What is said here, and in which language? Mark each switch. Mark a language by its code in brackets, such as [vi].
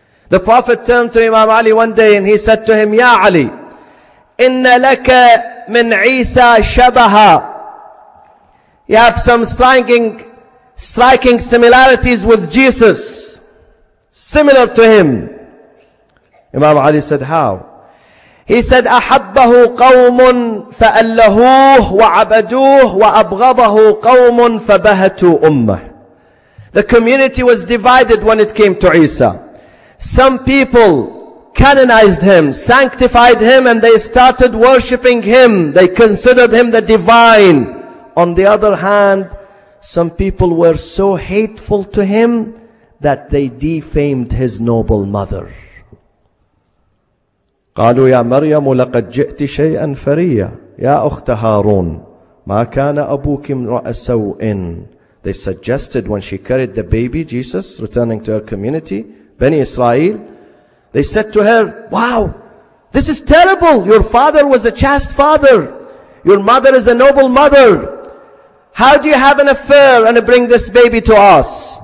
[en] The Prophet turned to Imam Ali one day and he said to him, Ya Ali, [ar] inna laka min Isa shabaha. [en] You have some striking similarities with Jesus, similar to him. Imam Ali said, how? He said, [ar] أحبه قوم فألهوه وعبدوه وأبغضه قوم فبهتوا أمه. [en] The community was divided when it came to Isa. Some people canonized him, sanctified him, and they started worshipping him. They considered him the divine. On the other hand, some people were so hateful to him that they defamed his noble mother. [ar] قالوا يا مريم لقد جئت شيئا فريا يا أخت هارون ما كان أبوك امرأ سوء. [en] They suggested when she carried the baby Jesus returning to her community, Bani Israel, they said to her, wow, this is terrible. Your father was a chaste father. Your mother is a noble mother. How do you have an affair and bring this baby to us?